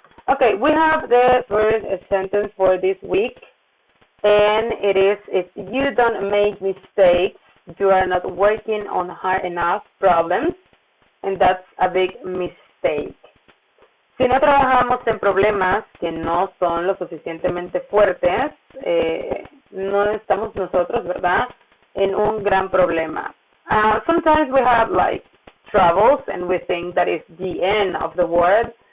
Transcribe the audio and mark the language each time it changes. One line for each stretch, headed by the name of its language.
English: Okay, we have the first sentence for this week, and it is, if you don't make mistakes, you are not working on hard enough problems, and that's a big mistake.
Spanish: Si no trabajamos en problemas que no son lo suficientemente fuertes, no estamos nosotros, ¿verdad?, en un gran problema.
English: Sometimes we have, like, troubles, and we think that is the end of the world.